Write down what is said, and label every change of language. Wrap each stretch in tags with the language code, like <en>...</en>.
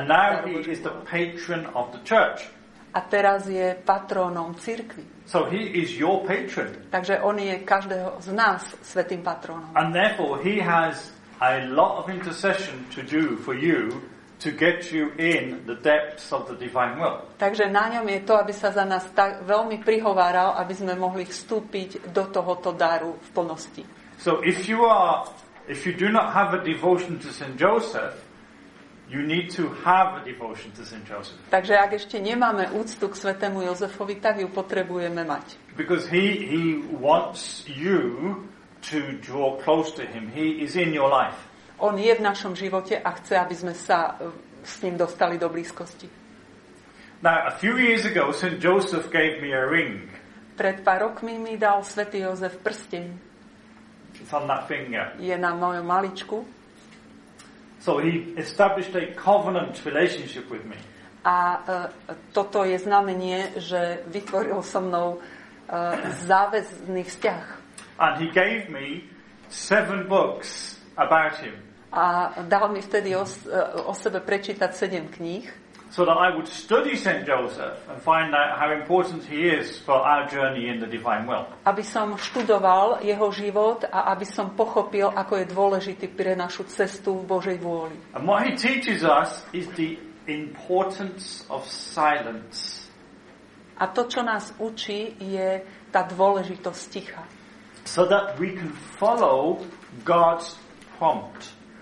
<sk>daru Božej vôly.</sk> <en>And now he is the patron of the church.</en> <sk>A teraz je patrónom cirkvi.</sk> <en>So he is your patron.</en> <sk>Takže on je každého z nás svätým patrónom.</sk> <en>And therefore he has a lot of intercession to do for you to get you in the depths of the divine will.</en> <sk>Takže na ňom je to, aby sa za nás tak veľmi prihováral, aby sme mohli vstúpiť do tohoto daru v plnosti.</sk> <en>So if you do not have a devotion to St. Joseph, you need to have a devotion to St. Joseph.</en> <sk>Takže ak ešte nemáme úctu k svätému Jozefovi, tak ju potrebujeme mať.</sk> <en>Because he wants you to draw close to him. He is in your life.</en> <sk>On je v našom živote a chce, aby sme sa s ním dostali do blízkosti.</sk> <en>Now, a few years ago, St. Joseph gave me a ring.</en> <sk>Pred pár rokmi mi dal svätý Jozef prsteň.</sk> <en>It's on that finger.</en> <sk>Je na mojom maličku.</sk> <en>So he established a covenant relationship with me.</en> <sk>A toto je znamenie, že vytvoril so mnou záväzný vzťah.</sk> <en>And he gave me 7 books about him.</en> <sk>A dal mi vtedy o sebe prečítať 7 kníh.</sk> <en>So that I would study St. Joseph and find out how important he is for our journey in the divine will.</en> <sk>Aby som študoval jeho život a aby som pochopil, ako je dôležitý pre našu cestu v Božej vôli.</sk> <en>And what he teaches us is the importance of silence.</en> <sk>A to, čo nás učí, je tá dôležitosť ticha.</sk> <en>So that we can follow God's prompt.</en>